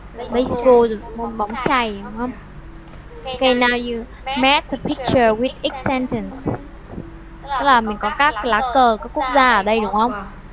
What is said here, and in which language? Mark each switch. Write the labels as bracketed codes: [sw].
[vi] Baseball là môn bóng chày, đúng không? [en] Okay, now you match the picture with each sentence. [vi] Tức là mình có các lá cờ các quốc gia ở đây, đúng không?